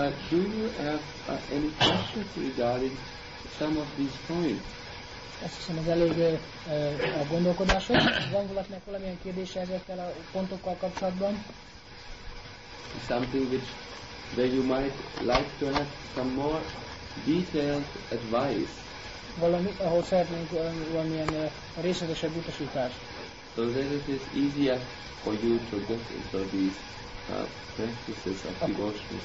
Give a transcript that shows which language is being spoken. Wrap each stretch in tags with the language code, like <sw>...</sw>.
<en>Do you have any questions regarding some of these points?</en> <hu>Ezt hiszem, az elég a gondolkodásod. Van valakinek valamilyen kérdése ezekkel a pontokkal kapcsolatban?</hu> <en>Something which that you might like to have some more detailed advice.</en> <hu>Valami, ahol szeretnénk valamilyen részletesebb utasítást.</hu> <en>So that it is easier for you to get into these practices of devotion.</en>